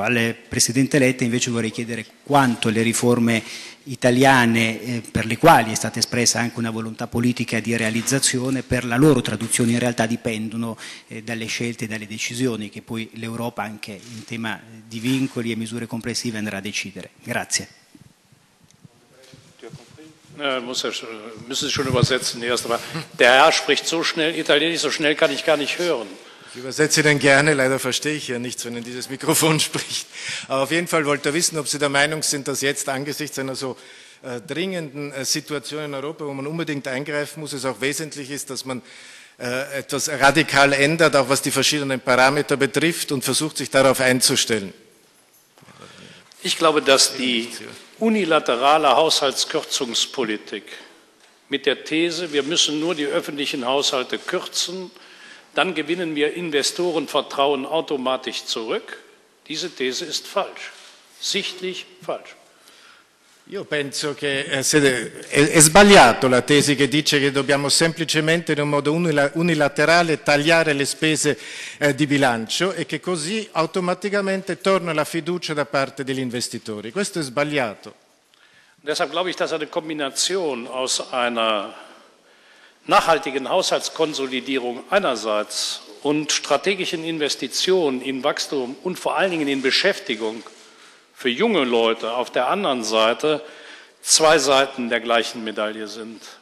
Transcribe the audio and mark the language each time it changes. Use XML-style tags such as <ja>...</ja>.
<it>Al Presidente Letta invece vorrei chiedere quanto le riforme italiane per le quali è stata espressa anche una volontà politica di realizzazione, per la loro traduzione in realtà dipendono dalle scelte e dalle decisioni che poi l'Europa anche in tema di vincoli e misure complessive andrà a decidere. Grazie.</it> <de>Müssen Sie schon übersetzen erst, aber der Herr spricht so schnell italienisch, so schnell kann ich gar nicht hören. Ich übersetze denn gerne, leider verstehe ich ja nichts, wenn in dieses Mikrofon spricht. Aber auf jeden Fall wollte er wissen, ob Sie der Meinung sind, dass jetzt angesichts einer so dringenden Situation in Europa, wo man unbedingt eingreifen muss, es auch wesentlich ist, dass man etwas radikal ändert, auch was die verschiedenen Parameter betrifft und versucht, sich darauf einzustellen. Ich glaube, dass die unilaterale Haushaltskürzungspolitik mit der These, wir müssen nur die öffentlichen Haushalte kürzen, dann gewinnen wir Investorenvertrauen automatisch zurück. Diese These ist falsch, sichtlich falsch.</de> <it>Io penso che è sbagliato la tesi che dice che dobbiamo semplicemente in un modo unilaterale tagliare le spese di bilancio e che così automaticamente torna la fiducia da parte degli investitori. Questo è sbagliato.</it> <de>Deshalb glaube ich, dass eine Kombination aus einer nachhaltigen Haushaltskonsolidierung einerseits und strategischen Investitionen in Wachstum und vor allen Dingen in Beschäftigung für junge Leute auf der anderen Seite zwei Seiten der gleichen Medaille sind.</de>